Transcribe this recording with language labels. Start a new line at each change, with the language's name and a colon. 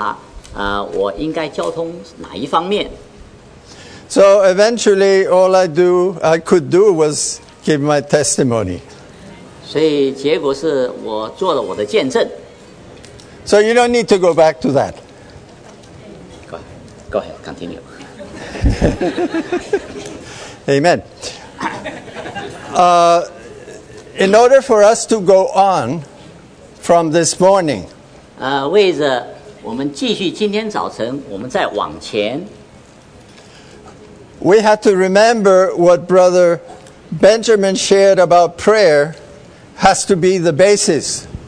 Chinese: 因为我不在国内，我没有机会跟弟兄们配搭，我应该交通哪一方面。
English: So eventually, all I could do was give my testimony.
Chinese: 所以结果是我做了我的见证。
English: So you don't need to go back to that. Go ahead, continue. Amen. In order for us to go on from this morning, we have to remember what Brother Benjamin shared about prayer has to be the basis.